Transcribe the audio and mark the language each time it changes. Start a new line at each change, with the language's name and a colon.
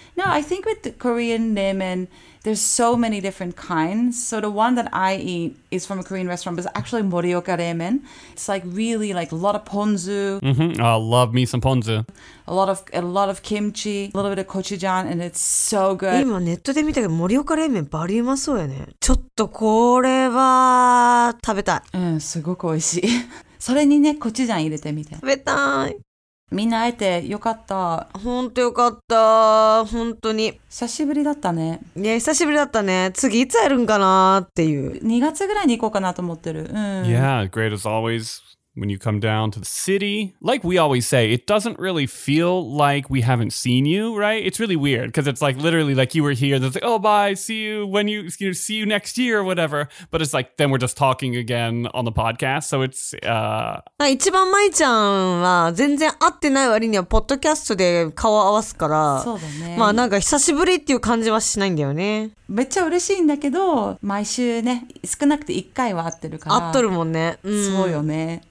English: No, I think with the Korean ramen, there's so many different kinds. So the one that I eat is from a Korean restaurant, but it's actually Morioka ramen. It's like really like a lot of ponzu. Mm-hmm. Oh, love me some ponzu. A lot of kimchi, a little bit of gochujang, and it's so good.
Japanese: 今ネットで見たけど、Morioka ramen バリうまそうやね。ちょっとこれは食べたい。うん、すごく美味しい。それにね、コチュジャン入れてみて。食べたい。みんな会えてよかった。ほんとよかった。ほんとに。久しぶりだったね。ね、久しぶりだったね。次いつ会えるんかなっていう。 2月ぐらいに行こうかなと思ってる。うん。
English: Yeah, great as always. when you come down to the city. Like we always say, it doesn't really feel like we haven't seen you, right? It's really weird because it's like literally like you were here. It's like, oh, bye. See you when you, you know, see you next year or whatever. But it's like then we're just talking again on the podcast. So it's...
Japanese: 一番舞ちゃんは全然会ってない割にはポッドキャストで顔を合わすから。そうだね。まあなんか久しぶりっていう感じはしないんだよね。めっちゃ嬉しいんだけど、毎週ね、少なくて1回は会ってるから。会っとるもんね。うん、そうよね。